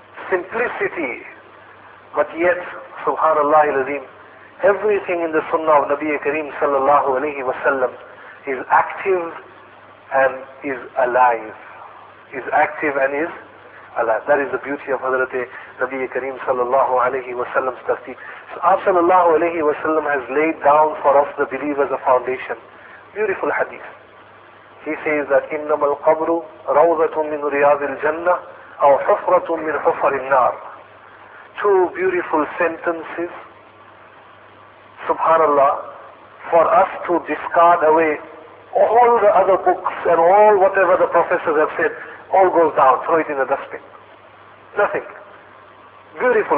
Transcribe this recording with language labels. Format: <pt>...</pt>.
<en>Simplicity. But yet, subhanallah al-azim, everything in the sunnah of Nabi Kareem sallallahu alayhi wa sallam is active and is alive. Is active and is alive. That is the beauty of Hazrat Nabi Kareem sallallahu alayhi wa sallam's tarteeb. So, Aap sallallahu alayhi wa sallam has laid down for us, the believers, a foundation. Beautiful hadith. He says that</en> <ar>إِنَّمَا الْقَبْرُ رَوْضَةٌ مِّنْ رِيَاضِ الْجَنَّةِ أَوْ حُفْرَةٌ مِّنْ حُفَرِ النَّارِ.</ar> <en>Two beautiful sentences. Subhanallah, for us to discard away all the other books and all whatever the professors have said, all goes down, throw it in the dustbin. Nothing. Beautiful.</en>